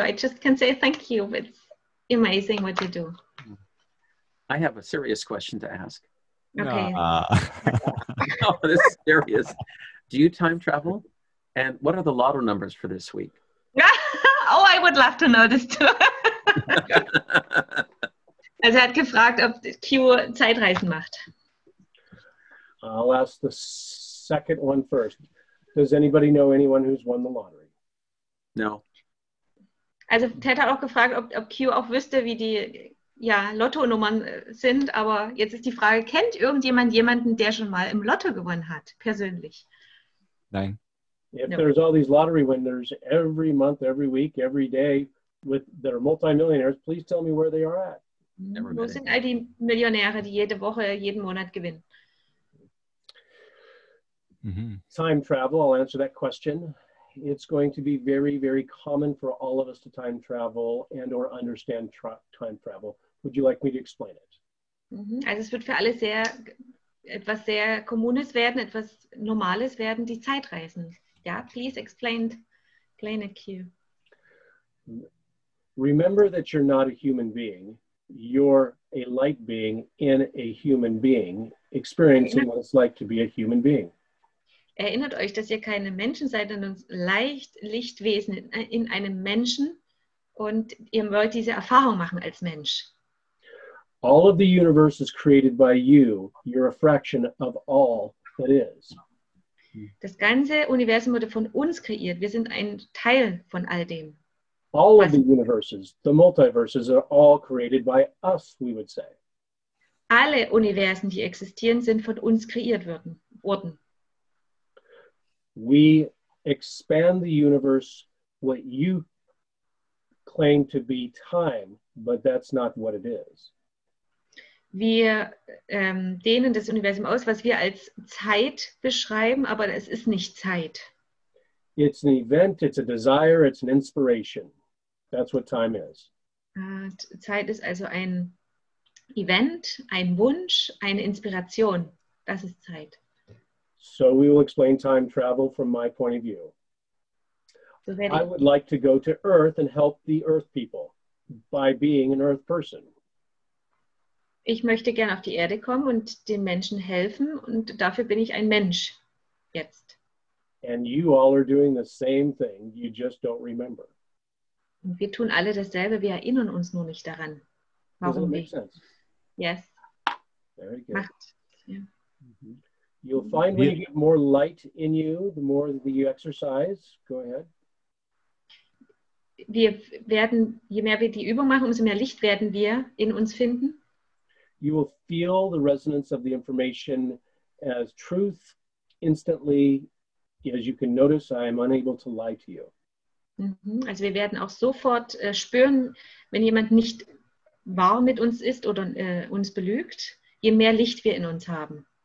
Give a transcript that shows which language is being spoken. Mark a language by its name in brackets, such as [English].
[English] I just can say thank you. It's amazing what you do. I have a serious question to ask. Okay. No, this is serious. Do you time travel? And what are the lotto numbers for this week? Oh, I would love to know this too. [German] Also er hat gefragt, ob Q Zeitreisen macht. [English] I'll ask the second one first. Does anybody know anyone who's won the lottery? No. [German] Also Ted hat auch gefragt, ob Q auch wüsste, wie die Lottonummern sind. Aber jetzt ist die Frage, kennt irgendjemand jemanden, der schon mal im Lotto gewonnen hat, persönlich? Nein. [English] If there's all these lottery winners every month, every week, every day with that are multimillionaires, please tell me where they are at. [German] Wo sind all die Millionäre, die jede Woche, jeden Monat gewinnen? [English] Mm-hmm. Time travel, I'll answer that question. It's going to be very, very common for all of us to time travel and or understand time travel. Would you like me to explain it? Mm-hmm. [German] Also es wird für alle sehr etwas sehr Kommunes werden, etwas Normales werden, die Zeitreisen. [English] Yeah, please explain it, Q. Remember that you're not a human being. You're a light being in a human being, experiencing what it's like to be a human being. [German] Erinnert euch, dass ihr keine Menschen seid, sondern leicht Lichtwesen in einem Menschen und ihr wollt diese Erfahrung machen als Mensch. [English] All of the universe is created by you. You're a fraction of all that is. [German] Das ganze Universum wurde von uns kreiert. Wir sind ein Teil von all dem. [English] All of the universes, the multiverses, are all created by us, we would say. [German] Alle Universen, die existieren, sind von uns kreiert worden. [English] We expand the universe what you claim to be time, but that's not what it is. [German] Wir dehnen das Universum aus, was wir als Zeit beschreiben, aber es ist nicht Zeit. [English] It's an event, it's a desire, it's an inspiration. That's what time is. [German] Zeit ist also ein Event, ein Wunsch, eine Inspiration. Das ist Zeit. [English] So we will explain time travel from my point of view. I would like to go to Earth and help the Earth people by being an Earth person. [German] Ich möchte gerne auf die Erde kommen und den Menschen helfen und dafür bin ich ein Mensch jetzt. [English] And you all are doing the same thing, you just don't remember. [German] Und wir tun alle dasselbe, wir erinnern uns nur nicht daran. Warum nicht? [English] Does that make sense? Yes. Very good. Macht. Yeah. You'll find when you get more light in you, the more that you exercise. Go ahead. [German] Wir werden, je mehr wir die Übung machen, umso mehr Licht werden wir in uns finden. [English] You will feel the resonance of the information as truth instantly, as you can notice, I am unable to lie to you. [German] Also wir werden auch sofort spüren, wenn jemand nicht wahr mit uns ist oder uns belügt, je mehr Licht wir in uns haben.